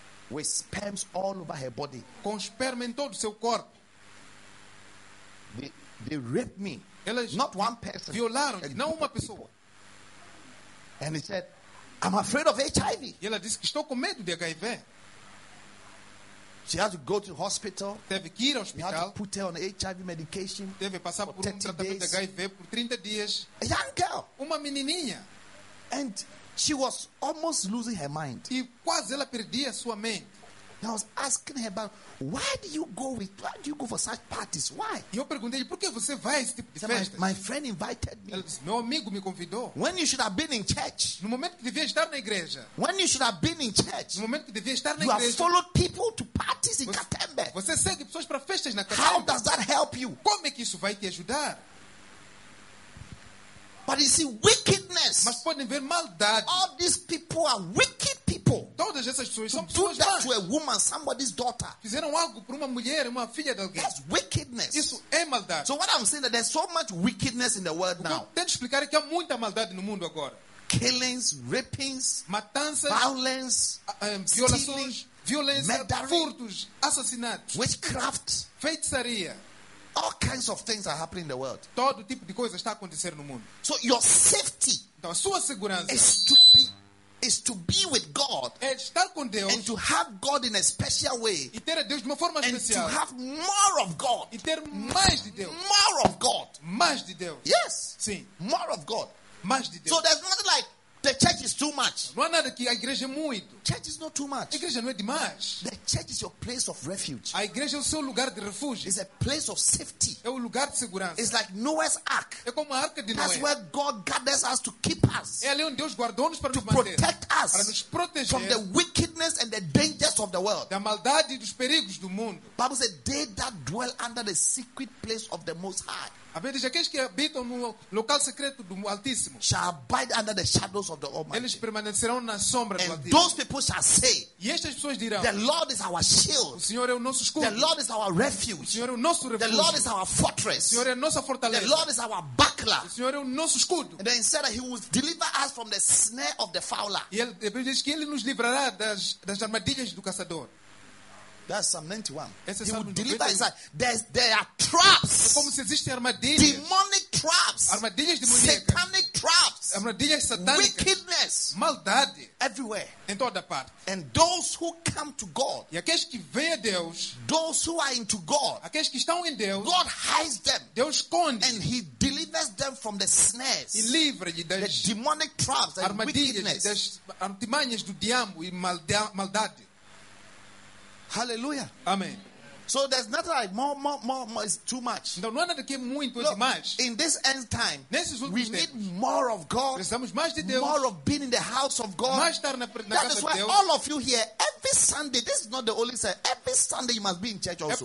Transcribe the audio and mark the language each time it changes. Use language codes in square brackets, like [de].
[en] With sperms all over her body. [pt] Com esperma em todo o seu corpo. [en] They raped me. [pt] Elas [en] not one person. [pt] Violaram, não uma pessoa. [en] People. And he said, I'm afraid of HIV. [pt] E ela disse que estou com medo de HIV. [en] She had to go to the hospital. [pt] Teve que ir ao hospital. [en] They had to put her on HIV medication. [pt] Teve passar por um tratamento de HIV por 30 dias. [en] A young girl. [pt] Uma menininha. [en] And she was almost losing her mind. [pt] E quase ela perdia sua mente. [en] And I was asking her about why do you go for such parties? Why? [pt] E eu perguntei por que você vai a esse tipo de festas? [en] My friend invited me. [pt] Ela disse, meu amigo me convidou. [en] When you should have been in church. [pt] No momento que devia estar na igreja. [en] When you should have been in church. [pt] No momento que devia estar na [en] you [pt] igreja. [en] You have followed people to parties in Katembe. [pt] Você segue pessoas para festas na Katembe. [en] How does that help you? [pt] Como é que isso vai te ajudar? [en] But you see wickedness. [pt] Mas podem ver maldade. [en] All these people are wicked people. [pt] Todas essas pessoas são [en] do that mais. To a woman, somebody's daughter. [pt] Fizeram algo para uma mulher, uma filha de alguém. [en] That's wickedness. [pt] Isso é maldade. [en] So what I'm saying is that there's so much wickedness in the world now. [pt] Tento explicar que há muita maldade no mundo agora. [en] Killings, rapings, [pt] matanças, [en] violence, [pt] violações, violência, [en] murdering, [pt] furtos, assassinatos, [en] witchcraft, [pt] feitiçaria. [en] All kinds of things are happening in the world. [pt] Todo tipo de coisa está acontecendo no mundo. [en] So your safety, [pt] então, a sua segurança, [en] is to be with God, [pt] é estar com Deus, [en] and to have God in a special way, [pt] e ter a Deus de uma forma [en] and [pt] especial, [en] and to have more of God, [pt] e ter mais de Deus, [en] more of God, [pt] mais de Deus, [en] yes, [pt] sim, [en] more of God, [pt] mais de Deus. [en] So there's nothing like the church is too much. [pt] Não há nada que a igreja é muito. [en] Church is not too much. [pt] A igreja não é demais. [en] The church is your place of refuge. [pt] A igreja é o seu lugar de refúgio. [en] It's a place of safety. [pt] É o lugar de segurança. [en] It's like Noah's ark. [pt] É como a arca de Noé. [en] That's where God gathers us to keep us. [pt] É ali onde Deus guardou-nos para [en] to [pt] nos manter. [en] To protect us. [pt] Para nos proteger. [en] From the wickedness and the dangers of the world. [pt] Da maldade e dos perigos do mundo. [en] Bible says, they that dwell under the secret place of the Most High. [pt] A Bíblia diz, aqueles que habitam no local secreto do Altíssimo. [en] Shall abide under the shadows of the Almighty. [pt] Eles permanecerão na sombra [en] and [pt] do Altíssimo. [en] Those people shall say, [pt] e estas pessoas dirão. [en] The Lord is our shield. [pt] O Senhor é o nosso escudo. [en] The Lord is our refuge. [pt] O Senhor é o nosso refúgio. [en] The Lord is our fortress. [pt] O Senhor é a nossa fortaleza. [en] The Lord is our buckler. [pt] O Senhor é o nosso escudo. [en] And then he said that he will deliver us from the snare of the fowler. [pt] E ele, a Bíblia diz que ele nos livrará das armadilhas do caçador. [en] That's Psalm 91. [pt] Esse [en] he Psalm will deliver us. There are traps. [pt] É como se existem armadilhas. [en] Demonic traps. [pt] Armadilhas demoníacas. [en] Satanic traps. [pt] Armadilhas satânicas. [en] Wickedness. [pt] Maldade. [en] Everywhere. [pt] Em toda parte. [en] And those who come to God. [pt] E aqueles que vêm a Deus. [en] Those who are into God. [pt] Aqueles que estão em Deus. [en] God hides them. [pt] Deus esconde. [en] And he delivers them from the snares. [pt] E livra-lhe das [en] the demonic traps and [pt] armadilhas, [en] wickedness. [pt] Das artimanhas do diabo e maldade. [en] Hallelujah. Amen. So there's nothing like more is too much. [pt] Não há nada que é muito, é demais. [en] In this end time, [pt] nesses últimos tempos, [en] we need more of God. [pt] Precisamos mais de Deus. [en] More of being in the house of God. [pt] Mais estar na casa de [en] Deus. That is why all of you here, every Sunday, this is not the only Sunday. Every Sunday you must be in church also.